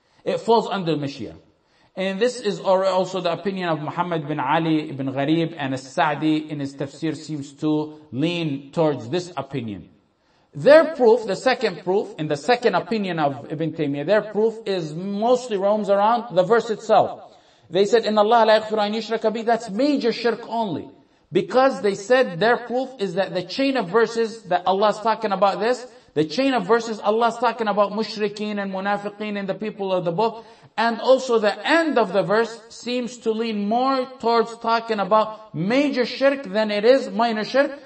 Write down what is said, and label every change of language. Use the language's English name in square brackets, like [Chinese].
[English] It falls under Mashiach. And this is also the opinion of Muhammad bin Ali ibn Gharib, and As-Sa'di in his tafsir seems to lean towards this opinion. Their proof, the second proof, and the second opinion of Ibn Taymiyyah, their proof is mostly roams around the verse itself. They said, [Arabic] إِنَّ اللَّهَ لَا يَغْفِرُ أَنْ يُشْرَكَ بِهِ, [English] that's major shirk only. Because they said their proof is that the chain of verses that Allah is talking about this, the chain of verses Allah is talking about mushrikeen and munafiqeen and the people of the book, and also the end of the verse seems to lean more towards talking about major shirk than it is minor shirk.